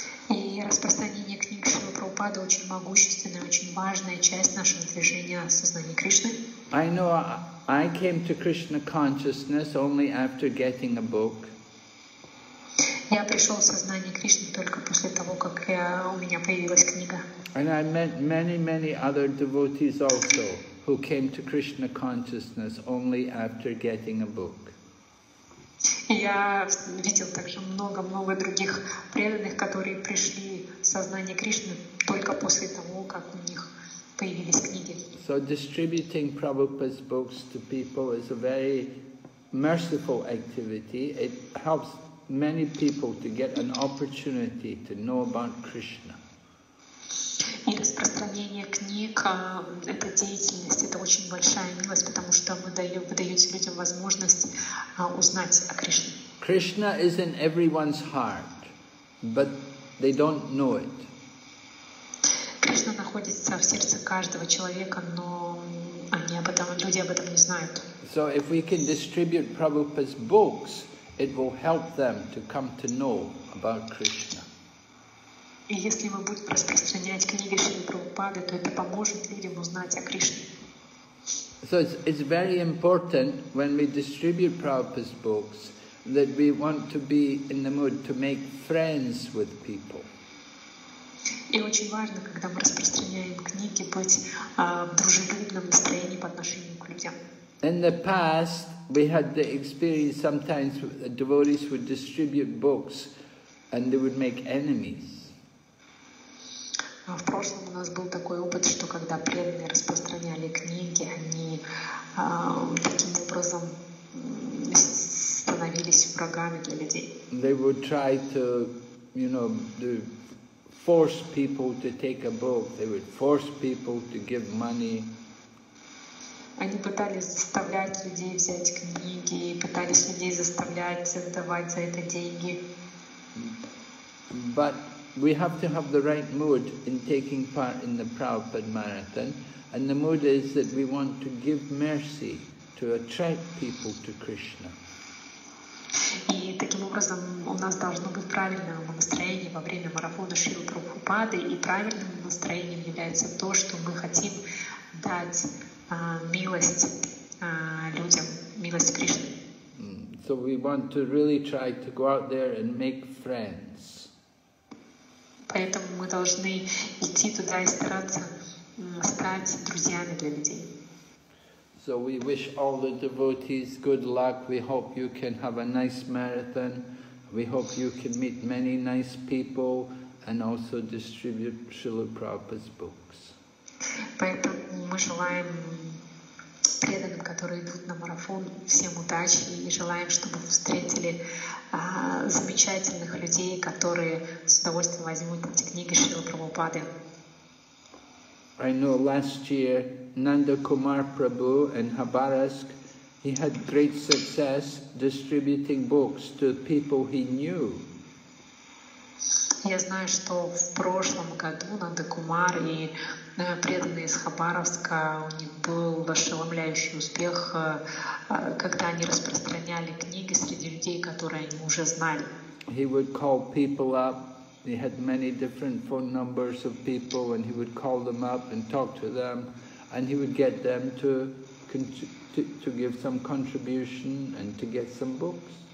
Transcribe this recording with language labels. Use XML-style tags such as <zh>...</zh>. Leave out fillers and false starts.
<ru>И распространение книг Шрилы Прабхупады очень могущественная, очень важная часть нашего движения сознания Кришны.</ru> <en>I know I came to Krishna consciousness only after getting a book.</en> <ru>Я пришел в сознание Кришны только после того, как у меня появилась книга.</ru> <en>And I met many, many other devotees also who came to Krishna consciousness only after getting a book.</en> <ru>Я видел также много-много других преданных, которые пришли в сознание Кришны только после того, как у них появились книги.</ru> <en>So distributing Prabhupada's books to people is a very merciful activity. It helps many people to get an opportunity to know about Krishna.</en> <ru>И распространение книг — это деятельность, это очень большая милость, потому что вы даете людям возможность узнать о Кришне.</ru> <en>Krishna is in everyone's heart, but they don't know it.</en> <ru>Кришна находится в сердце каждого человека, но люди об этом не знают.</ru> <en>So if we can distribute Prabhupada's books, it will help them to come to know about Krishna.</en> <ru>И если мы будем распространять книги Шрилы Прабхупады, то это поможет людям узнать о Кришне.</ru> <en>So it's very important when we distribute Prabhupada's books that we want to be in the mood to make friends with people.</en> <ru>И очень важно, когда мы распространяем книги, быть в дружелюбном настроении по отношению к людям.</ru> <en>In the past, we had the experience sometimes devotees would distribute books and they would make enemies.</en> <ru>В прошлом у нас был такой опыт, что когда преданные распространяли книги, они таким образом становились врагами для людей.</ru> <en>They would try to, you know, force people to take a book. They would force people to give money.</en> <ru>Они пытались заставлять людей взять книги, пытались людей заставлять давать за это деньги.</ru> <en>But we have to have the right mood in taking part in the Prabhupada Marathon, and the mood is that we want to give mercy to attract people to Krishna.</en> <ru>И таким образом у нас должно быть правильное настроение во время марафона Шри Прабхупады, и правильным настроением является то, что мы хотим дать милость Кришне.</ru> <en>So we want to really try to go out there and make friends.</en> <ru>Поэтому мы должны идти туда и стараться стать друзьями для людей.</ru> <en>So we wish all the devotees good luck. We hope you can have a nice marathon. We hope you can meet many nice people and also distribute Srila Prabhupada's books.</en> <ru>Поэтому мы желаем преданным, которые идут на марафон, всем удачи и желаем, чтобы вы встретили замечательных людей, которые с удовольствием возьмут эти книги Шрилы Прабхупады.</ru> <en>I know last year Nanda Kumar Prabhu in Habarask, he had great success distributing books to people he knew.</en> <ru>Я знаю, что в прошлом году Нанда Кумар и преданные из Хабаровска, у них был ошеломляющий успех, когда они распространяли книги среди людей, которые они уже знали.</ru> <en>He would call people up. He had many different phone numbers of people, and he would call them up and talk to them, and he would get them to give some contribution and to get some books.</en>